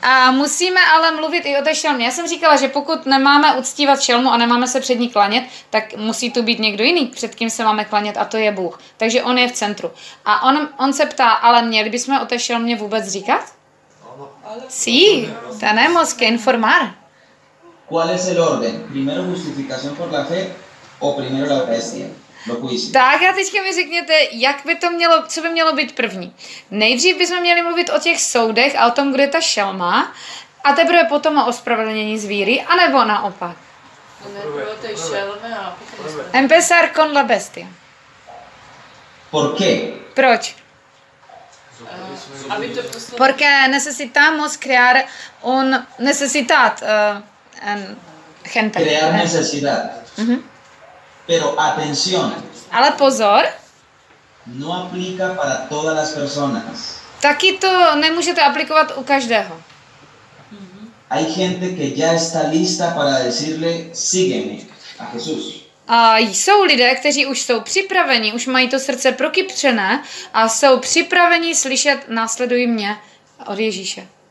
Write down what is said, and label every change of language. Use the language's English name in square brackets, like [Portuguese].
[Czech] Musíme ale mluvit i o té šelmě. Já jsem říkala, že pokud nemáme uctívat šelmu a nemáme se před ní klanět, tak musí tu být někdo jiný, před kým se máme klanět, a to je Bůh. Takže on je v centru. A on se ptá, ale měli bychom o té šelmě vůbec říkat? Ano. [Spanish] Sí, tenemos que informar. ¿Cuál es el orden? Primero justificación por la fe o primero la bestia? [Czech] Tak a teďka mi řekněte, jak by to mělo, co by mělo být první. Nejdřív bychom měli mluvit o těch soudech a o tom, kde je ta šelma, a teprve potom o ospravedlnění z víry, anebo naopak. Neprve o té šelme a potom... [Spanish] Empezar con la bestia. Por qué? [Czech] Proč? Aby to poslali... [Spanish] Porque necesitamos crear un necesidad gente. Crear necesidad. Pero atención. [Czech] Ale pozor. [Spanish] No aplica para todas las personas. [Czech] Taky to nemůžete aplikovat u každého. [Spanish] Hay gente que ya está lista para decirle sígueme a Jesús. [Czech] A jsou lidé, kteří už jsou připraveni, už mají to srdce prokypřené a jsou připraveni slyšet následuj mě od Ježíše.